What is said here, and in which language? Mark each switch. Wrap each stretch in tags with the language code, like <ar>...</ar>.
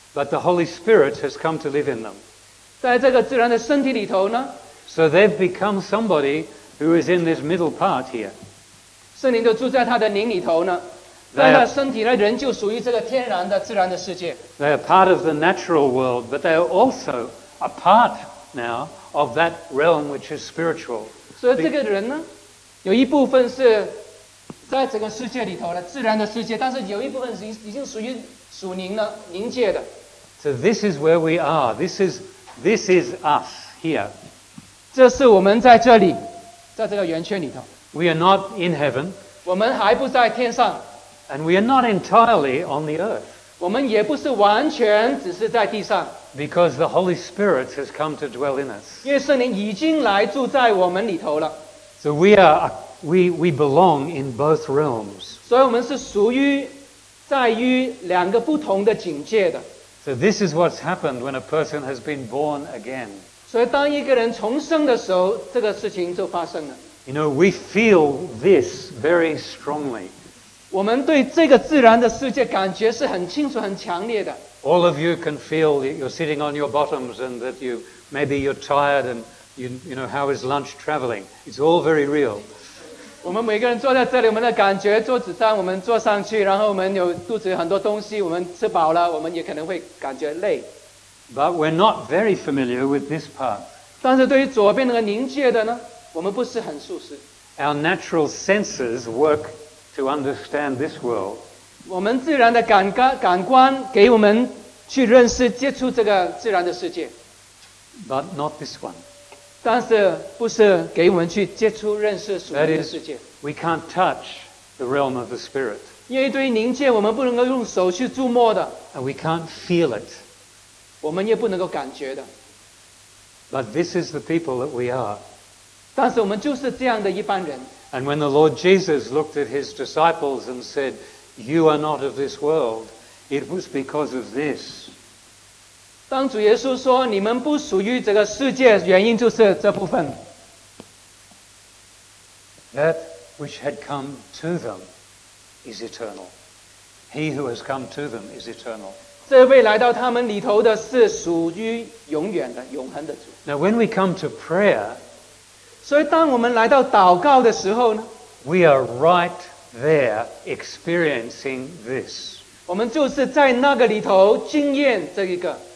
<en>the Holy Spirit has come to live in them.</en> <zh>在这个自然的身体里头呢？</zh> <en>So they've become somebody who is in this middle part here.</en> <zh>圣灵就住在他的灵里头呢，但他身体呢，仍旧属于这个天然的、自然的世界。</zh> <en>They are part of the natural world, but they are also a part now of that realm which is spiritual.</en> <zh>所以这个人呢，有一部分是在整个世界里头的自然的世界，但是有一部分已经属于属灵的灵界的。</zh> <en>So this is where we are. This is us here.</en> <zh>这是我们在这里，在这个圆圈里头。</zh> <en>We are not in heaven.</en> <zh>我们还不在天上。</zh> <en>And we are not entirely on the earth.</en> <zh>我们也不是完全只是在地上。</zh> <en>Because the Holy Spirit has come to dwell in us.</en> <zh>因为圣灵已经来住在我们里头了。</zh> <en>So we belong in both realms.</en> <zh>所以我们是属于在于两个不同的境界的。</zh> <en>So this is what's happened when a person has been born again.</en> <zh>所以当一个人重生的时候，这个事情就发生了。</zh> <en>You know, we feel this very strongly.</en> <zh>我们对这个自然的世界感觉是很清楚、很强烈的。</zh> <en>All of you can feel that you're sitting on your bottoms and that you, maybe you're tired and you know, how is lunch traveling? It's all very real.</en> <zh>我们每个人坐在这里，我们的感觉桌子上，我们坐上去，然后我们有肚子很多东西，我们吃饱了，我们也可能会感觉累。</zh> <en>But we're not very familiar with this part.</en> <zh>但是对于左边那个凝结的呢，我们不是很熟悉。</zh> <en>Our natural senses work to understand this world.</en> <zh>我们自然的感官给我们去认识、接触这个自然的世界。</zh> <en>But not this one.</en> <zh>但是不是给我们去接触认识属灵的世界。</zh> <en>We can't touch the realm of the spirit.</en> <zh>因为对于灵界我们不能够用手去触摸的。</zh> <en>And we can't feel it.</en> <zh>我们也不能够感觉的。</zh> <en>But this is the people that we are.</en> <zh>但是我们就是这样的一般人。</zh> <en>And when the Lord Jesus looked at his disciples and said, you are not of this world, it was because of this.</en> <zh>当主耶稣说你们不属于这个世界，原因就是这部分。</zh> <en>That which had come to them is eternal. He who has come to them is eternal.</en> <zh>这位来到他们里头的是属于永远的、永恒的主。</zh> <en>Now when we come to prayer,</en> <zh>所以当我们来到祷告的时候呢，</zh> <en>we are right there experiencing this.</en> <zh>我们就是在那个里头经验这一个。</zh>